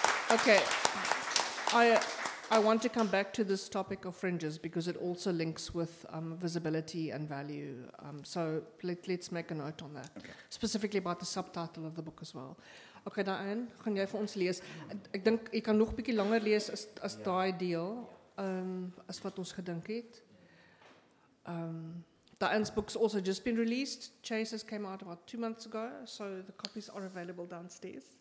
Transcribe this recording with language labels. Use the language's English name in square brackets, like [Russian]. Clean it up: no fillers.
[English] Okay, I want to come back to this topic of fringes because it also links with visibility and value. So let's make a note on that. Okay. Specifically about the subtitle of the book as well. [Afrikaans] Okay, Diane, gaan jy vir ons lees? Ek dink jy kan nog 'n bietjie langer lees as daai deel, as wat ons gedink het. [English] Diane's book's also just been released. Chase's came out about 2 months ago, so the copies are available downstairs.